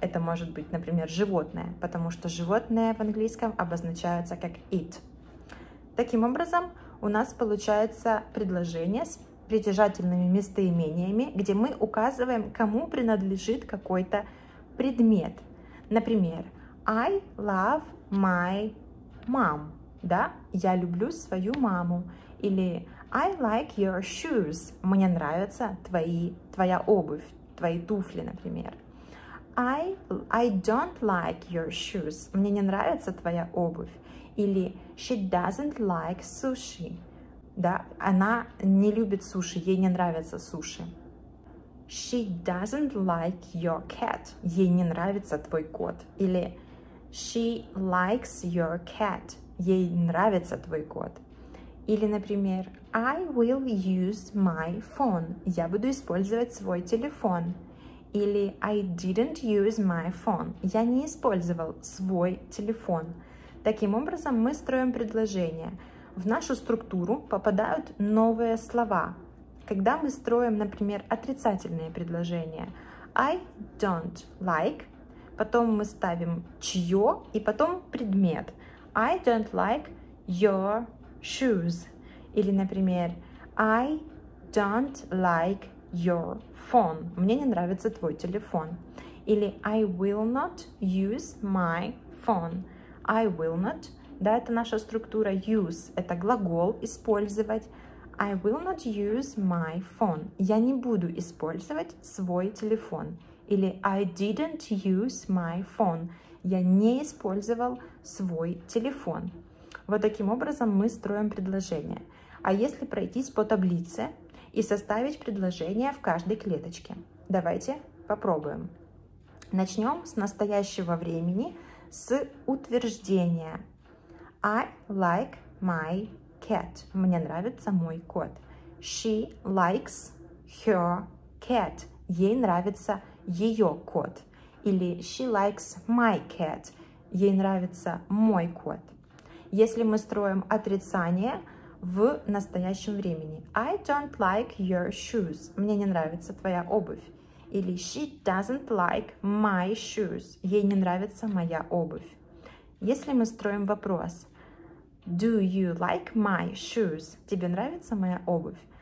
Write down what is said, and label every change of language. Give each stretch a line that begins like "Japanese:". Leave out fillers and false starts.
Russian: Это может быть, например, животное, потому что животное в английском обозначается как it. Таким образом, у нас получается предложение с притяжательными местоимениями, где мы указываем, кому принадлежит какой-то предмет. Например,
English: I love my mom.
Russian: Да? Я люблю свою маму.
English: Или I like your shoes.
Russian: Мне нравятся твоя обувь, твои туфли, например.
English: I don't like your shoes.
Russian: Мне не нравится твоя обувь.
English: Или she doesn't like sushi.
Russian: Да, она не любит суши, ей не нравятся суши.
English: She doesn't like your cat.
Russian: Ей не нравится твой кот.
English: Или she likes your cat.
Russian: Ей нравится твой кот. Или, например,
English: I will use my phone.
Russian: Я буду использовать свой телефон.
English: Или I didn't use my phone.
Russian: Я не использовал свой телефон. Таким образом, мы строим предложение. В нашу структуру попадают новые слова. Когда мы строим, например, отрицательные предложения,
English: I don't like,
Russian: потом мы ставим чье и потом предмет.
English: I don't like your shoes. Или, например, I don't like your phone.
Russian: Мне не нравится твой телефон.
English: Или I will not use my phone. I will not.
Russian: Да, это наша структура use. Это глагол использовать.
English: I will not use my phone.
Russian: Я не буду использовать свой телефон.
English: Или I didn't use my phone.
Russian: Я не использовал свой телефон. Вот таким образом мы строим предложение. А если пройтись по таблице и составить предложение в каждой клеточке? Давайте попробуем. Начнем с настоящего времени, с утверждения.
English: I like my cat.
Russian: Мне нравится мой кот.
English: She likes her cat.
Russian: Ей нравится ее кот.
English: Или she likes my cat.
Russian: Ей нравится мой кот. Если мы строим отрицание в настоящем времени.
English: I don't like your shoes.
Russian: Мне не нравится твоя обувь.
English: Или she doesn't like my shoes.
Russian: Ей не нравится моя обувь. Если мы строим вопрос.
English: Do you like my shoes?
Russian: Тебе нравится моя обувь?